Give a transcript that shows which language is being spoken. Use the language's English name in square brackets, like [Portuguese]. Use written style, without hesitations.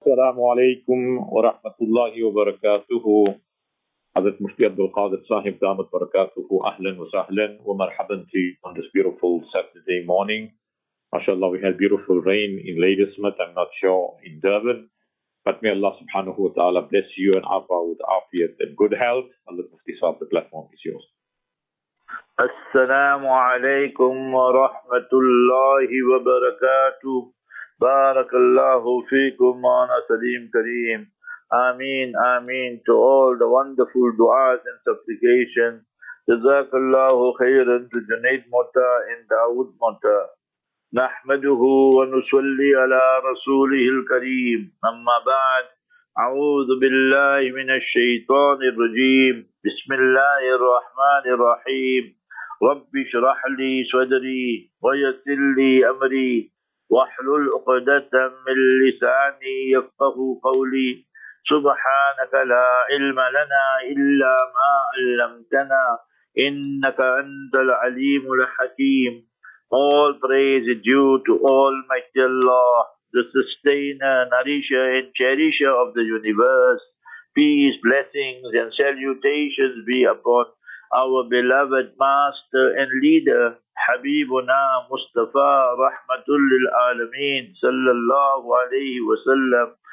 [Arabic] السلام عليكم ورحمة الله وبركاته. حضرت مشتي عبد القادر صاحب دامت بركاته، أهلا وسهلا ومرحبا في [English] on this beautiful Saturday morning. [Arabic] ما شاء الله [English] we had beautiful rain in Lady Smith, I'm not sure in Durban. But may Allah [Arabic] سبحانه وتعالى [English] bless you and Afa with afiat and good health. Hazrat Mufti Sahib, the platform is yours. [Arabic] السلام عليكم ورحمة الله وبركاته. بارك الله فيكم وانا سليم كريم. آمين آمين. [English] To all the wonderful du'as and supplications. [Arabic] جزاك الله خيرا to Junaid Mota and Dawood Mota. نحمده ونصلي على رسوله الكريم. أما بعد، أعوذ بالله من الشيطان الرجيم. بسم الله الرحمن الرحيم. رب اشرح لي صدري ويسر لي أمري واحلل عقدة من لساني يفقه قولي. سبحانك لا علم لنا إلا ما علمتنا إنك أنت العليم الحكيم. [English] All praise is due to Almighty Allah, the sustainer, nourisher and cherisher of the universe. Peace, blessings and salutations be upon our beloved master and leader, Habibuna Mustafa Rahmatul Lil Alameen Sallallahu Alaihi Wasallam.